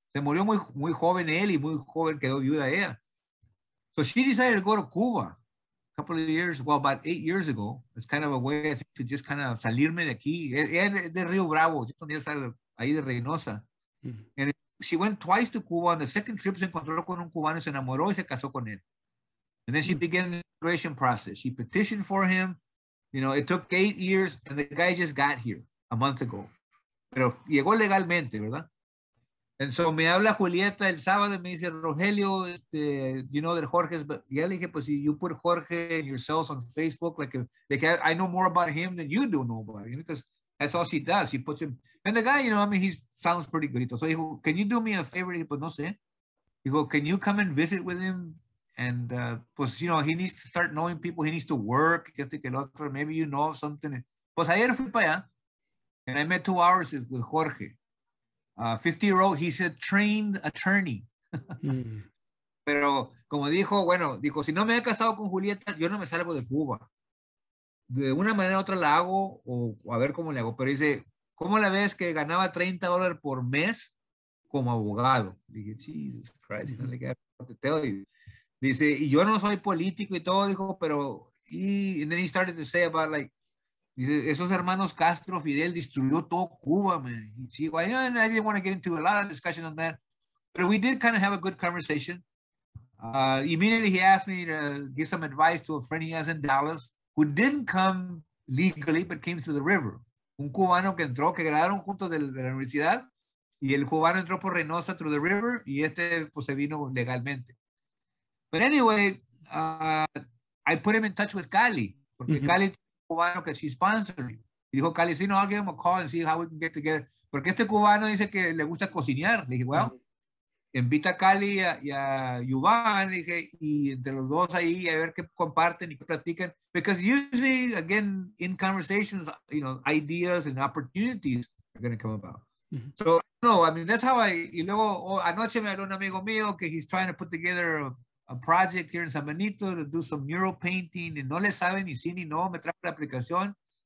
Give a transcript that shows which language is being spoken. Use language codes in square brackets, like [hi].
[es] Se murió muy, muy joven él y muy joven quedó viuda ella. [en] So she decided to go to Cuba a couple of years, well, about 8 years ago. It's kind of a way, I think, to just kind of [es] salirme de aquí. De Rio Bravo, [en] just on the side of, [es] ahí de Reynosa. [en] Mm-hmm. And she went twice to Cuba. On the second trip, [es] se encontró con un cubano, se enamoró y se casó con él. [en] And then she began the immigration process. She petitioned for him. You know, it took 8 years, and the guy just got here a month ago. [es] Pero llegó legalmente, ¿verdad? [en] And so [es] me habla Julieta el sábado, me dice, [en] Rogelio, you know that Jorge's, but [es] ya le dije, pues [en] you put Jorge and yourselves on Facebook, like I know more about him than you do know about him, because that's all she does. She puts him, and the guy, you know, I mean, he sounds pretty good. So he goes, can you do me a favor? He goes, [es] no sé. [en] He goes, can you come and visit with him? And, [es] pues, [en] you know, he needs to start knowing people. He needs to work. Maybe you know something. [es] Pues ayer fui para allá, [en] and I met 2 hours with Jorge. 50-year-old, he's a trained attorney. [es] Pero como dijo, bueno, dijo, si no me he casado con Julieta, yo no me salgo de Cuba. De una manera u otra la hago, o a ver cómo le hago. Pero dice, ¿cómo la ves que ganaba $30 por mes como abogado? Dije, [en] Jesus Christ, [es] no le queda [en] what to tell you. [es] Dice, y yo no soy político y todo, dijo, pero, [en] and then he started to say about like, [es] dice, esos hermanos Castro Fidel destruyó todo Cuba, [en] man. See, well, you know, I didn't want to get into a lot of discussion on that, but we did kind of have a good conversation. Immediately he asked me to give some advice to a friend he has in Dallas who didn't come legally, but came through the river. [es] Un cubano que entró, que graduaron juntos de la universidad, y el cubano entró por Reynosa [en] through the river, [es] y este pues se vino legalmente. [en] But anyway, I put him in touch with Cali, [es] porque [en] mm-hmm. Cali [es] tiene un cubano que [en] she's sponsoring. [es] Y dijo, Cali, si no, [en] I'll give him a call and see how we can get together. [es] Porque este cubano dice que le gusta cocinar. Le dije, [en] well, [es] invita a Cali y a Yuván, le dije, y entre los dos ahí, a ver qué comparten y qué platican. [en] Because usually, again, in conversations, you know, ideas and opportunities are going to come about. Mm-hmm. So, no, I mean, that's how I, [es] y luego, anoche me habló un amigo mío que [en] he's trying to put together a project here in San Benito to do some mural painting, and [es] no le sabe ni sí ni no, me trae la aplicación.